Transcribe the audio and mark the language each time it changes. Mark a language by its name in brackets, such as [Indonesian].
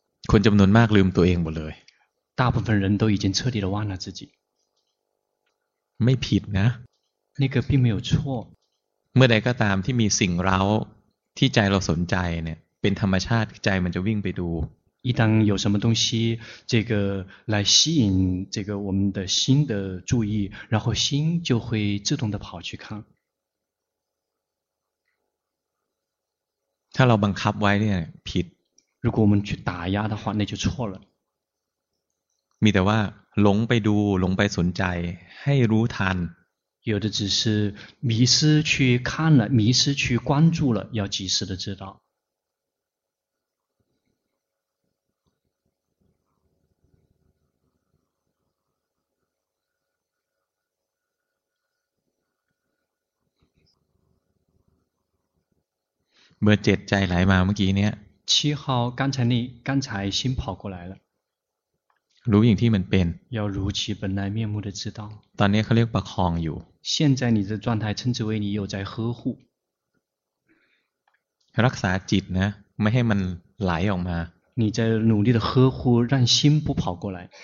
[Thai] คนจำนวนมากลืมตัวเองหมดเลย [Chinese] 大部分人都已经彻底的忘了自己 [Thai] ไม่ผิดนะ [Chinese] 那个并没有错 [Thai] เมื่อใดก็ตามที่มีสิ่งเร้าที่ใจเราสนใจเนี่ยเป็นธรรมชาติใจมันจะวิ่งไปดู [Chinese] 一旦有什么东西这个来吸引这个我们的心的注意然后心就会自动的跑去看 [Thai] ถ้าเราบังคับไว้เนี่ยผิด [Chinese] 如果我们去打压的话那就错了 [Thai] มีแต่ว่าหลงไปดูหลงไปสนใจให้รู้ทัน [Chinese] 有的只是迷失去看了迷失去关注了要及时的知道 [Thai] เบอร์เจ็ดใจไหลมาเมื่อกี้เนี้ย [Chinese] 7号刚才那刚才心跑过来了 [Thai] รู้อย่างที่มันเป็น [Chinese] 要如其本来面目的知道 [Thai] ตอนนี้เขาเรียกประคองอยู่ [Chinese] 现在你的状态称之为你有在呵护 [Thai] รักษาจิตนะไม่ให้มันไหลออกมา [Chinese] 你在努力的呵护让心不跑过来